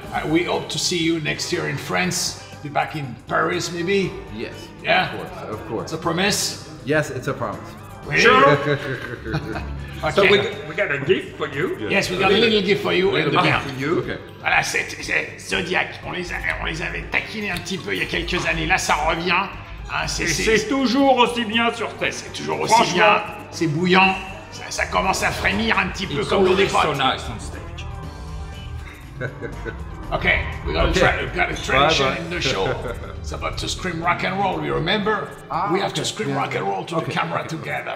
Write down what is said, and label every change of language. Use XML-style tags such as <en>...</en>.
<en>We hope to see you next year in France. Be back in Paris, maybe. Yes. Yeah. Of course. It's a promise. Yes, it's a promise. Sure. Okay. So we got a gift for you. Yes, we got a little gift for you. A little gift for you. Okay.</en> <fr>Voilà, c'est Zodiac. On les avait taquinés un petit peu il y a quelques années. Là, ça revient. C'est toujours aussi bien sur Terre. C'est toujours aussi bien. C'est bouillant. Ça commence à frémir un petit peu comme le défaut.</fr> <en>It's so nice on stage. Okay, we got a tradition in the show. It's about to scream rock and roll, you remember? We have to scream rock and roll to the camera together.</en>